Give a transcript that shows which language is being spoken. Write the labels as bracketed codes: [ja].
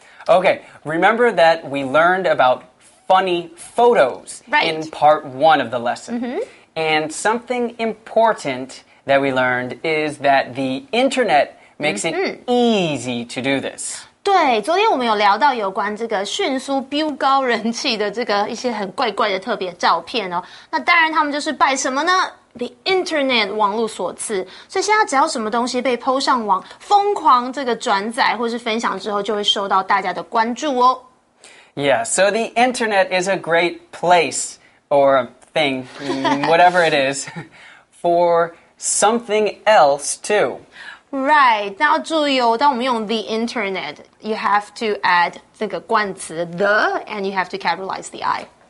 [en] Okay, remember that we learned about funny photos in Right. part one of the lesson. And something important that we learned is that the internet makes it easy to do this. [zh] 对，昨天我们有聊到有关这个迅速飙高人气的这个一些很怪怪的特别照片哦。那当然，他们就是拜什么呢？The internet 网络所赐，所以现在只要什么东西被 PO 上网，疯狂这个转载或是分享之后，就会受到大家的关注哦。 [en] Yeah, so the internet is a great place or thing, whatever it is, for something else too. Right, [zh] 那要注意哦，当我们用 [en] the internet, you have to add [zh] 这个冠词 [en] the, and you have to capitalize the I.